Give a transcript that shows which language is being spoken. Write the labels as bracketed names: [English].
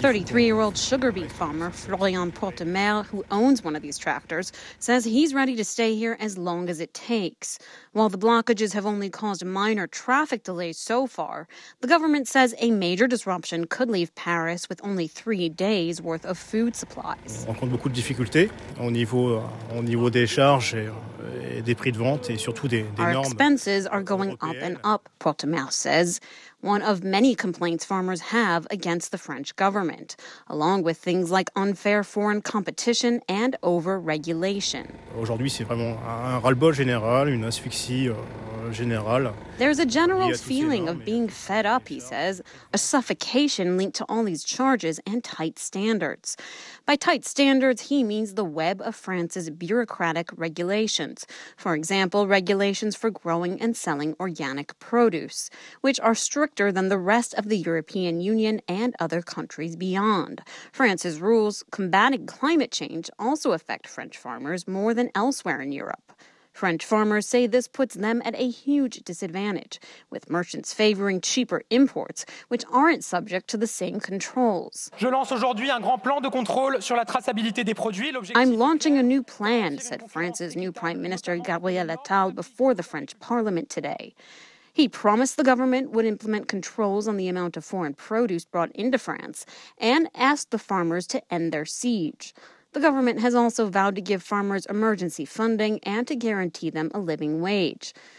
[English] 33-year-old sugar beet farmer Florian Portemer, who owns one of these tractors, says he's ready to stay here as long as it takes. While the blockages have only caused minor traffic delays so far, the government says a major disruption could leave Paris with only 3 days' worth of food supplies. [French] On rencontre beaucoup de difficultés au niveau des charges et des prix de vente et surtout des normes. [English] Our expenses are going up and up, Portemer says. One of many complaints farmers have against the French government, along with things like unfair foreign competition and over-regulation. [French] Aujourd'hui, c'est vraiment un ras-le-bol général, une asphyxie générale. [English] There's a general feeling of being fed up, he says, a suffocation linked to all these charges and tight standards. By tight standards, he means the web of France's bureaucratic regulations. For example, regulations for growing and selling organic produce, which are stricter than the rest of the European Union and other countries beyond. France's rules combating climate change also affect French farmers more than elsewhere in Europe. French farmers say this puts them at a huge disadvantage, with merchants favoring cheaper imports, which aren't subject to the same controls. [French] Je lance aujourd'hui un grand plan de contrôle sur la traçabilité des produits. [English] I'm launching a new plan, said France's new Prime Minister Gabriel Attal before the French Parliament today. He promised the government would implement controls on the amount of foreign produce brought into France and asked the farmers to end their siege. The government has also vowed to give farmers emergency funding and to guarantee them a living wage.